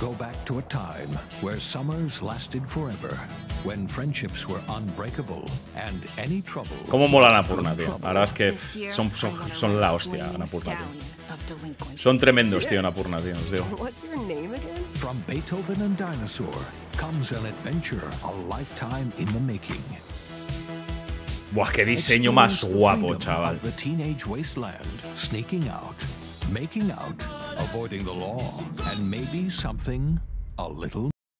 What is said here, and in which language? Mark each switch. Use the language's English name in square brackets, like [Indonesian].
[English] Go back to a time where summers lasted forever, when friendships were unbreakable and any trouble. [Spanish] Cómo mola Annapurna, tío. Ahora es que son la hostia, Annapurna, tío. Son tremendos, tío, Annapurna, tío, os digo. [English] What's your name again? From Beethoven and Dinosaur comes an adventure a lifetime in the making. [Spanish] Buah, qué diseño más guapo, chaval. [English] The teenage wasteland, sneaking out, making out, avoiding the law, and maybe something a little.